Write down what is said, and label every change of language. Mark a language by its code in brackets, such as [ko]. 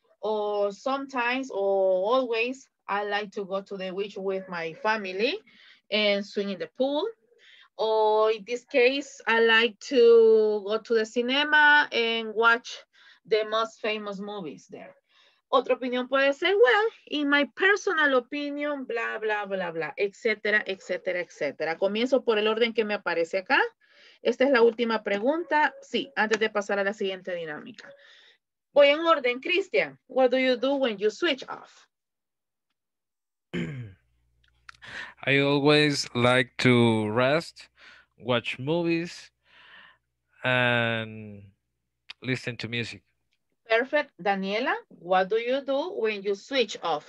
[en] Or sometimes or always I like to go to the beach with my family and swing in the pool. Or in this case, I like to go to the cinema and watch the most famous movies there. [es] Otra opinión puede ser, [en] well, in my personal opinion, [es] bla, bla, bla, bla, etcétera, etcétera, etcétera. Comienzo por el orden que me aparece acá. Esta es la última pregunta. Sí, antes de pasar a la siguiente dinámica. Voy en orden, Christian. [en] What do you do when you switch off? I always like to rest, watch movies, and listen to music. Perfect. Daniela, what do you do when you switch off?